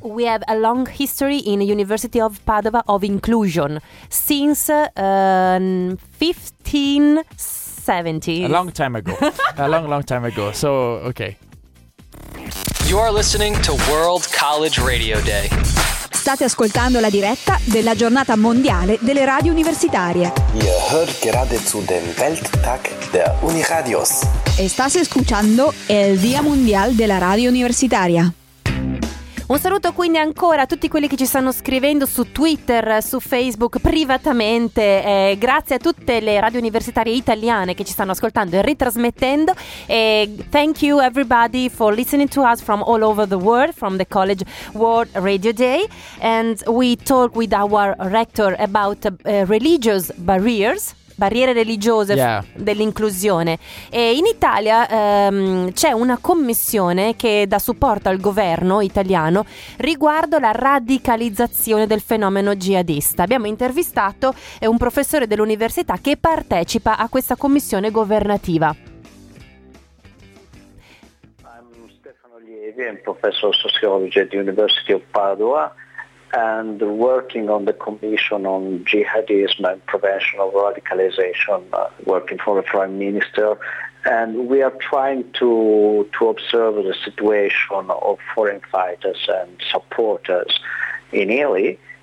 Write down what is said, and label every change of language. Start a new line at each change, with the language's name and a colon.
English: We have a long history in the University of Padova of inclusion since 1570. A long time ago. A long, long time ago. So, okay. You are listening to World College Radio Day.
Italian: State ascoltando la diretta della giornata mondiale delle radio universitarie.
German: Ihr hört gerade zu dem Welttag der Uniradios.
Spanish: Estás escuchando el Día Mundial de la Radio Universitaria.
Italian: Un saluto quindi ancora a tutti quelli che ci stanno scrivendo su Twitter, su Facebook, privatamente. Grazie a tutte le radio universitarie italiane che ci stanno ascoltando e ritrasmettendo.
English: Thank you everybody for listening to us from all over the world, from the College World Radio Day. And we talk with our rector about religious barriers.
Italian: Barriere religiose, yeah. Dell'inclusione. E in Italia c'è una commissione che dà supporto al governo italiano riguardo la radicalizzazione del fenomeno jihadista. Abbiamo intervistato un professore dell'università che partecipa a questa commissione governativa.
English: I'm Stefano Lievi, I'm professor of sociology at the University of Padova. And working on the Commission on Jihadism and Prevention of Radicalization, working for the Prime Minister. And we are trying to observe the situation of foreign fighters and supporters in Italy.